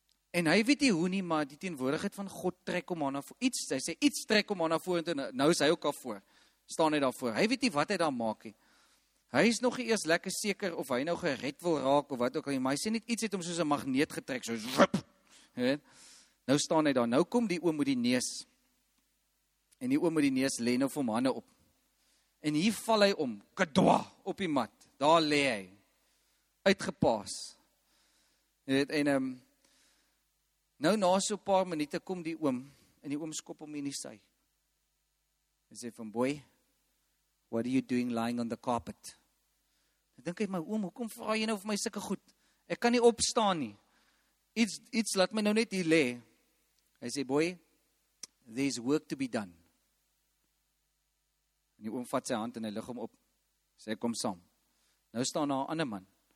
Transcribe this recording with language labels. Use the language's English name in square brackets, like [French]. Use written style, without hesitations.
[Afrikaans] En hy weet nie hoe nie, maar die teenwoordigheid van God trek hom aan na voor. Iets, hy sê, iets trek hom aan na voor, en nou is hy ook al voor. Staan hy daar voor. Hy weet nie wat hy daar maak nie. Hy is nog nie eers lekker seker of hy nou gered wil raak of wat ook al nie, maar hy sê net iets het hom soos 'n magneet getrek, soos wip. Nou staan hy daar, nou kom die oom met die neus. En die oom met die neus lê nou vir hom hande op. En hier val hy om, kadwa, op die mat. Daar lê hy. Uitgepaas. Nou na so 'n paar minute kom die oom en die oom skop hom in die sy. Hy sê van [English] boy, what are you doing lying on the carpet? [Afrikaans] Ek dink hy my oom, hoekom vra jy nou vir my sulke goed? Ek kan nie opstaan nie. Iets laat my nou net hier lê. Hy sê [English] boy, there's work to be done. [Afrikaans] En die oom vat sy hand en hy lig hom op. Sê kom saam. Nou staan daar 'n ander man.